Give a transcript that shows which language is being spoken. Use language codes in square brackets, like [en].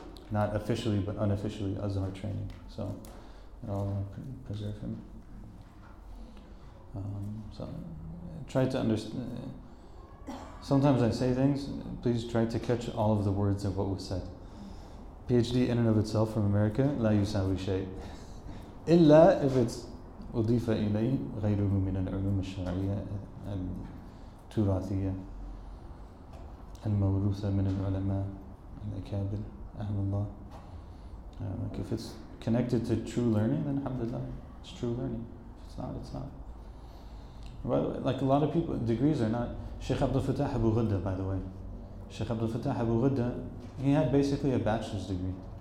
[en] Not officially, but unofficially Azhar training. So. And I'll preserve him. So, try to understand. Sometimes I say things, please try to catch all of the words of what was said. PhD in and of itself from America, [ar] لا يساوي شيء. إلا [en] if it's [ar] أضيف إلي غيره من العلوم الشرعية التراثية الموروثة من العلماء الأكابر أهل الله. [en] If it's connected to true learning, then alhamdulillah, it's true learning. If it's not, it's not. Well, like a lot of people, degrees are not. Sheikh Abdul Fattah Abu Ghudda, by the way. Sheikh Abdul Fattah Abu Ghudda, he had basically a bachelor's degree.